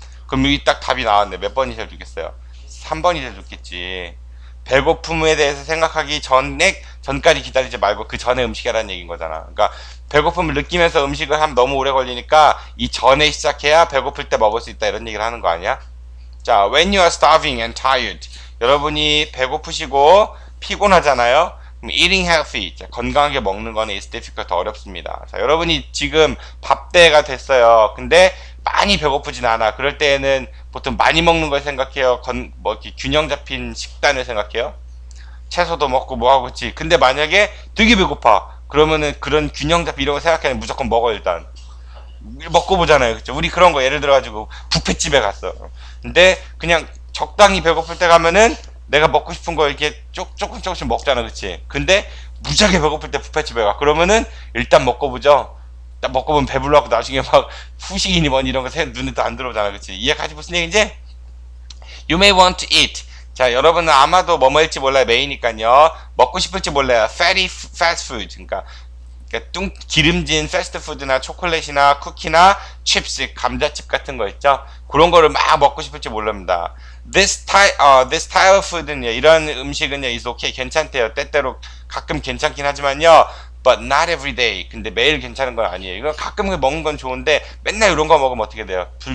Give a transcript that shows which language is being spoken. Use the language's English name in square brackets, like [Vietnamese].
[Korean] 그럼 여기 딱 답이 나왔네. 몇 번이 제일 좋겠어요? 3번이 제일 좋겠지. 배고픔에 대해서 생각하기 전까지 기다리지 말고 그 전에 음식이라는 얘기인 거잖아. 그러니까 배고픔을 느끼면서 음식을 하면 너무 오래 걸리니까 이 전에 시작해야 배고플 때 먹을 수 있다 이런 얘기를 하는 거 아니야? [English] 자, when you are starving and tired. [Korean] 여러분이 배고프시고 피곤하잖아요. 그럼 [English] eating healthy, [Korean] 자, 건강하게 먹는 건 [English] is difficult, [Korean] 어렵습니다. 자, 여러분이 지금 밥때가 됐어요. 근데 많이 배고프진 않아. 그럴 때에는 보통 많이 먹는 걸 생각해요. 뭐 이렇게 균형 잡힌 식단을 생각해요. 채소도 먹고 뭐하고 있지. 근데 만약에 되게 배고파. 그러면은 그런 균형잡기 이런 거 생각해야 무조건 먹어 일단. 먹고 보잖아요, 그렇죠? 우리 그런 거 예를 들어가지고 뷔페집에 갔어. 근데 그냥 적당히 배고플 때 가면은 내가 먹고 싶은 거 이렇게 조금씩 먹잖아, 그렇지? 근데 무지하게 배고플 때 뷔페집에 가. 그러면은 일단 먹고 보죠. 딱 먹고 보면 배불러갖고 나중에 막 후식이니 뭐니 이런 거 눈에 또안 들어오잖아, 그렇지? 이해까지 무슨 얘기인지? [English] You may want to eat. [Korean] 자, 여러분은 아마도 뭐 먹을지 몰라요, 메이니까요. 먹고 싶을지 몰라요. [English] Fast food, 그러니까. [Korean] 기름진 패스트푸드나 초콜릿이나 쿠키나 칩스, 감자칩 같은 거 있죠? 그런 거를 막 먹고 싶을지 모릅니다. [English] This type of food은요, [Korean] 이런 음식은요, [English] is okay, [Korean] 괜찮대요. 때때로 가끔 괜찮긴 하지만요, [English] but not every day. [Korean] 근데 매일 괜찮은 건 아니에요. 이건 가끔 먹는 건 좋은데 맨날 이런 거 먹으면 어떻게 돼요?